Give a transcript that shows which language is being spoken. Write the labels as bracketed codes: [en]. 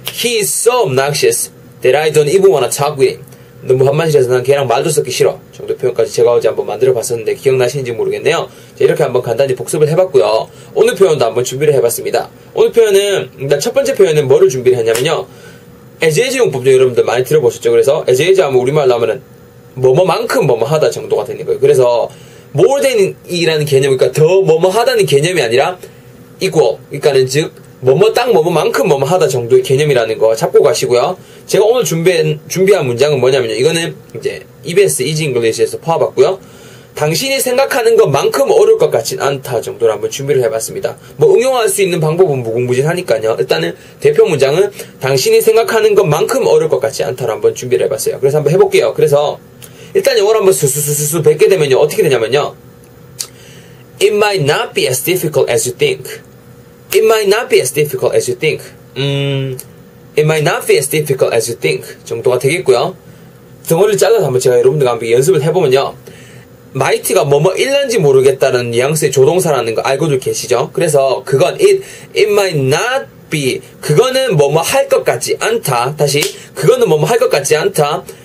[en] He is so obnoxious that I don't even wanna talk with him. [ko] 너무 밥맛이라서 난 걔랑 말도 섞기 싫어. 정도 표현까지 제가 어제 한번 만들어봤었는데 기억나시는지 모르겠네요. 자, 이렇게 한번 간단히 복습을 해봤고요. 오늘 표현도 한번 준비를 해봤습니다. 오늘 표현은 일단 첫 번째 표현은 뭐를 준비를 했냐면요. as is 용법도 여러분들 많이 들어보셨죠. 그래서 as is 하면 우리말로 하면은 뭐뭐만큼 뭐뭐하다 정도가 되는 거예요. 그래서 more than이라는 개념, 그러니까 더 뭐뭐하다는 개념이 아니라 equal, 그러니까는 즉 뭐뭐 딱 뭐뭐만큼 뭐뭐하다 정도의 개념이라는 거 잡고 가시고요. 제가 오늘 준비한 문장은 뭐냐면요. 이거는 이제 EBS Easy English에서 퍼와봤고요. 당신이 생각하는 것만큼 어려울 것 같진 않다 정도로 한번 준비를 해봤습니다. 뭐 응용할 수 있는 방법은 무궁무진하니까요. 일단은 대표 문장은 당신이 생각하는 것만큼 어려울 것 같지 않다로 한번 준비를 해봤어요. 그래서 한번 해볼게요. 그래서 일단 영어를 한번 수수수수수 뵙게 되면요. 어떻게 되냐면요. [en] It might not be as difficult as you think. It might not be as difficult as you think. It might not be as difficult as you think. [ko] 정도가 되겠고요. 덩어리를 잘라서 한번 제가 여러분들과 함께 연습을 해보면요. might가 뭐뭐 일런지 모르겠다는 뉘앙스의 조동사라는 거 알고도 계시죠? 그래서 그건 [en] it might not be, [ko] 그거는 뭐뭐 할 것 같지 않다. 다시, 그거는 뭐뭐 할 것 같지 않다.